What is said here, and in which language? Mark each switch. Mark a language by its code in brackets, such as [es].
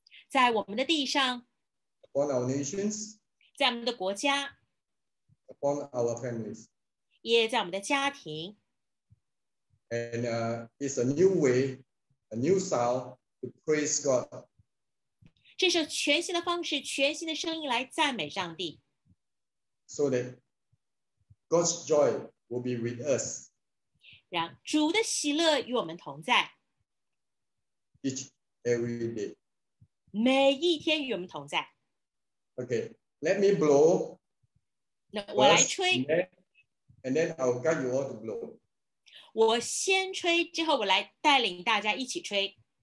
[zh] 在我们的地上。 [en] Upon our nations, [zh] 在我们的国家。 [en] Upon our families, [zh] 也在我们的家庭。 [en] And it's a new way, a new sound to praise God. [zh] 这是全新的方式，全新的声音来赞美上帝。 [en] So that God's joy will be with us. [zh] 让主的喜乐与我们同在 [en] ，each every day， [zh] 每一天与我们同在。 [en] Okay, let me blow. [zh] 那我来吹 [en] ，and then I'll guide you all to blow. [zh] 我先吹，之后我来带领大家一起吹。